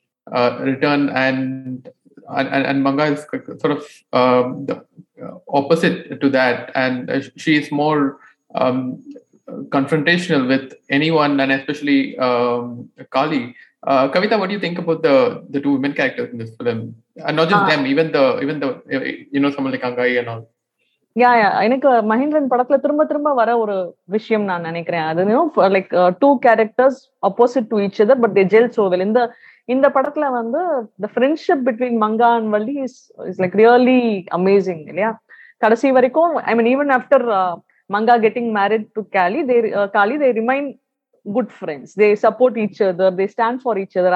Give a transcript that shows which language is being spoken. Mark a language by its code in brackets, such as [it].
[en] written and Manga is sort of the opposite to that, and she is more confrontational with anyone, and especially Kali. Kavita, what do you think about the two women characters in this film, and not just them, even the you know, someone like Angai and all? [ta] Yeah, எனக்கு மகேந்திரன் படத்துல திரும்ப திரும்ப வர ஒரு விஷயம் நான் நினைக்கிறேன், அது [en] Like two characters opposite to each other but they gel so well. [ta] இந்த படத்துல வந்து [en] the friendship between Manga and Valli is like really amazing [ta] இல்லையா. கடைசி வரைக்கும் [en] I mean even after Manga getting married to Kali, they remain good friends. They support each other, they stand for each other.